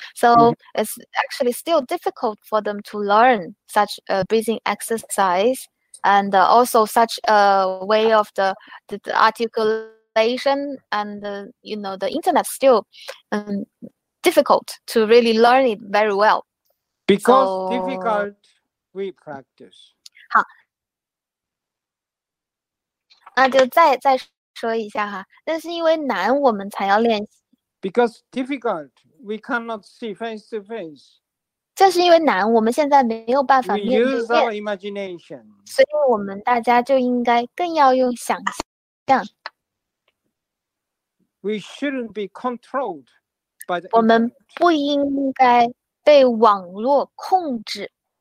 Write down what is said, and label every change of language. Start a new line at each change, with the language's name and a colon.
English: So it's actually still difficult for them to learn such a breathing exercise and also such a way of the articulation. And you know, the internet still difficult to really learn it very well. Because difficult, we practice.
Chinese: 好，那就再说一下哈，那是因为难，我们才要练习。
English: Because difficult, we cannot see face to face.
Chinese: 这是因为难，我们现在没有办法面对面。
English: We use our imagination.
Chinese: 所以我们大家就应该更要用想象。
English: We shouldn't be controlled by the.
Chinese: 我们不应该被网络控制。